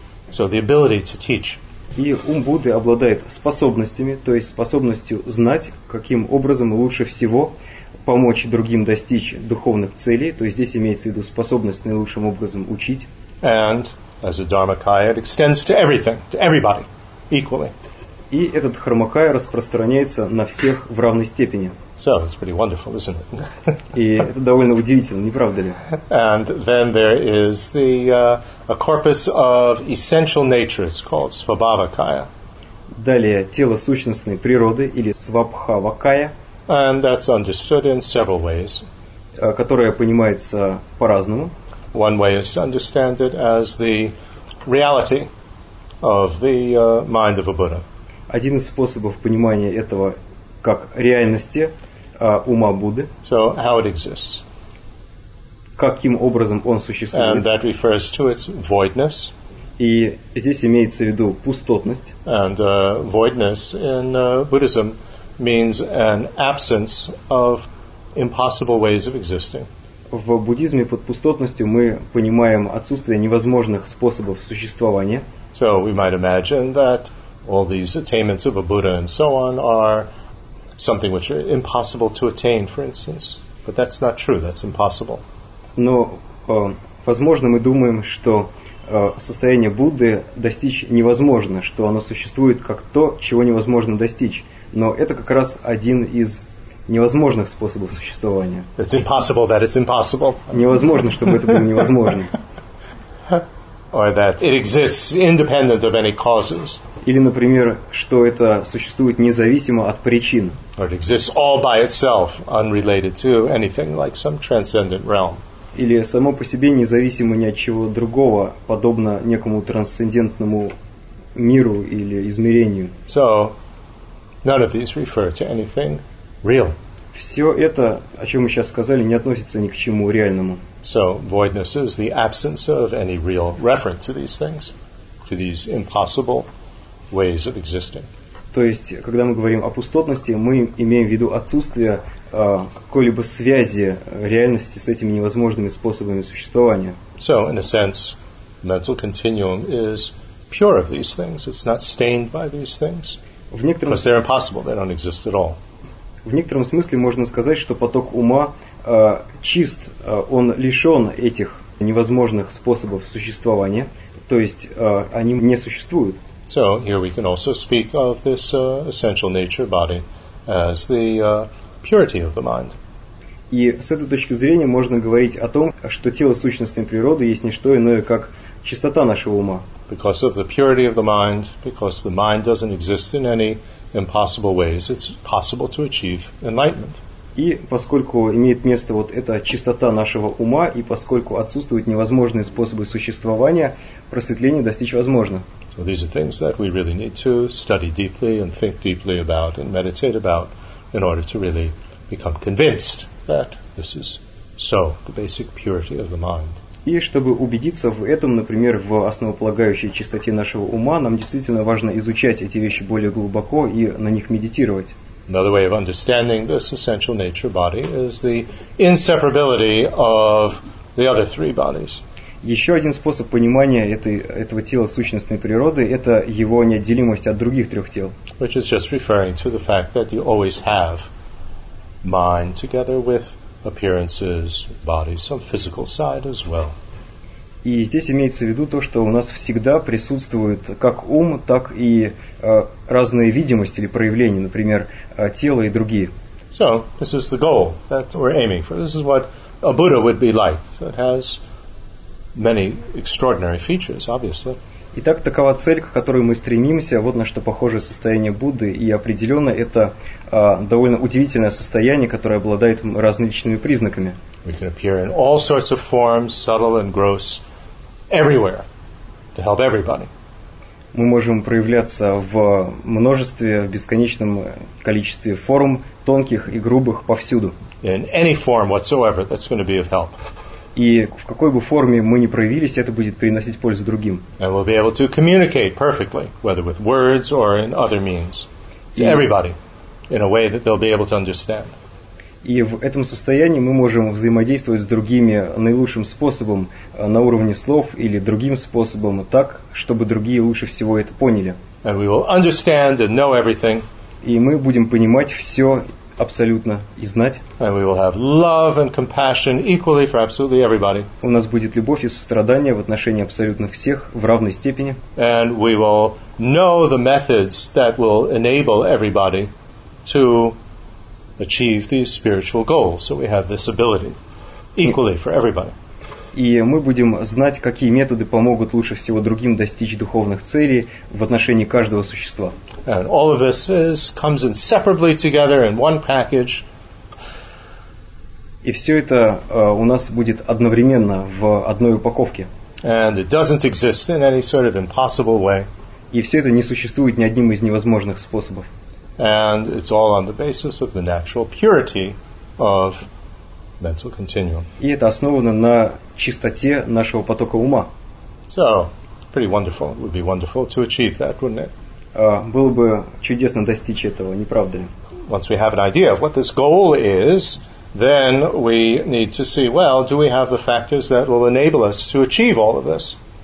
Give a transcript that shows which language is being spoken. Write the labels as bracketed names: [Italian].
[English] So the ability to teach. [Russian] И ум Будды обладает способностями, то есть способностью знать, каким образом лучше всего помочь другим достичь духовных целей, то есть здесь имеется в виду способность наилучшим образом учить. [English] And as a dharmakaya, it extends to everything, to everybody, equally. [Russian] И этот дхармакая распространяется на всех в равной степени. [English] So, it's pretty wonderful, isn't it? [Russian] И это довольно удивительно, не правда ли? [English] And then there is the a corpus of essential nature, it's called svabhavakaya. [Russian] Далее тело сущностной природы или свабхавакая. [English] And that's understood in several ways. [Russian] Которая понимается по-разному. [English] One way is to understand it as the reality of the mind of a Buddha. [Russian] Один из способов понимания этого как реальности ума Будды. [English] So, how it exists. [Russian] Каким образом он существует. [English] And that refers to its voidness. [Russian] И здесь имеется в виду пустотность. [English] And voidness in Buddhism means an absence of impossible ways of existing. [Russian] В буддизме под пустотностью мы понимаем отсутствие невозможных способов существования. [English] So, we might imagine that all these attainments of a Buddha and so on are something which are impossible to attain, for instance. But that's not true. That's impossible. [Russian] Но, возможно, мы думаем, что состояние Будды достичь невозможно, что оно существует как то, чего невозможно достичь. Но это как раз один из невозможных способов существования. [English] It's impossible that it's impossible. [Russian] Невозможно, чтобы это было невозможно. [English] Or that it exists independent of any causes. [Russian] Или, например, что это существует независимо от причин. [English] Or it exists all by itself, unrelated to anything like some transcendent realm. [Russian] Или само по себе независимо ни от чего другого, подобно некому трансцендентному миру или измерению. [English] So, none of these refer to anything real. [Russian] Все это, о чем мы сейчас сказали, не относится ни к чему реальному. [English] So, voidness is the absence of any real reference to these things, to these impossible ways of existing. [Russian] То есть, когда мы говорим о пустотности, мы имеем в виду отсутствие какой-либо связи реальности с этими невозможными способами существования. [English] So, in a sense, the mental continuum is pure of these things. It's not stained by these things. Because they're impossible, they don't exist at all. [Russian] В некотором смысле можно сказать, что поток ума чист, он лишен этих невозможных способов существования, то есть они не существуют. [English] So here we can also speak of this essential nature body as the purity of the mind. [Russian] И с этой точки зрения можно говорить о том, что тело сущностной природы есть не что иное, как чистота нашего ума. [English] Because of the purity of the mind, because the mind doesn't exist in any impossible ways, it's possible to achieve enlightenment. [Russian] И поскольку имеет место вот эта чистота нашего ума, и поскольку отсутствуют невозможные способы существования, просветление достичь возможно. [English] So these are things that we really need to study deeply and think deeply about and meditate about in order to really become convinced that, this is so, the basic purity of the mind. [Russian] И чтобы убедиться в этом, например, в основополагающей чистоте нашего ума, нам действительно важно изучать эти вещи более глубоко и на них медитировать. [English] Another way of understanding this essential nature body is the inseparability of the other three bodies. [Russian] Еще один способ понимания этого тела сущностной природы – это его неотделимость от других трех тел. [English] Which is just referring to the fact that you always have mind together with appearances, body, some physical side as well. [Russian] И здесь имеется в виду то, что у нас всегда присутствует как ум, так и разные видимости или проявления, например, тело и другие. [English] So, this is the goal that we're aiming for. This is what a Buddha would be like. It has many extraordinary features, obviously. [Russian] Итак, такова цель, к которой мы стремимся. Вот на что похоже состояние Будды. И определенно это довольно удивительное состояние, которое обладает различными признаками. [English] We can appear in all sorts of forms, subtle and gross, everywhere, to help everybody. [Russian] Мы можем проявляться в множестве, в бесконечном количестве форм, тонких и грубых, повсюду. [English] In any form whatsoever, that's going to be of help. [Russian] И в какой бы форме мы ни проявились, это будет приносить пользу другим. [English] And we'll be able to communicate perfectly, whether with words or in other means, to everybody, in a way that they'll be able to understand. [Russian] И в этом состоянии мы можем взаимодействовать с другими наилучшим способом, на уровне слов или другим способом, так, чтобы другие лучше всего это поняли. [English] And we will understand and know everything. [Russian] И мы будем понимать все абсолютно и знать. [English] And we will have love and compassion equally for absolutely everybody. [Russian] У нас будет любовь и сострадание в отношении абсолютно всех в равной степени. [English] And we will know the methods that will enable everybody to achieve these spiritual goals. So we have this ability equally for everybody. [Russian] И мы будем знать, какие методы помогут лучше всего другим достичь духовных целей в отношении каждого существа. [English] And all of this comes inseparably together in one package. [Russian] И все это у нас будет одновременно в одной упаковке. [English] And it doesn't exist in any sort of impossible way. [Russian] И все это не существует ни одним из невозможных способов. [English] And it's all on the basis of the natural purity of mental continuum. [Russian] И это основано на чистоте нашего потока ума. [English] So, pretty wonderful. It would be wonderful to achieve that, wouldn't it? [Russian] Было бы чудесно достичь этого, не правда ли? [English] Once we have an idea of what this goal is, then we need to see, well, do we have the factors that will enable us to achieve all of this?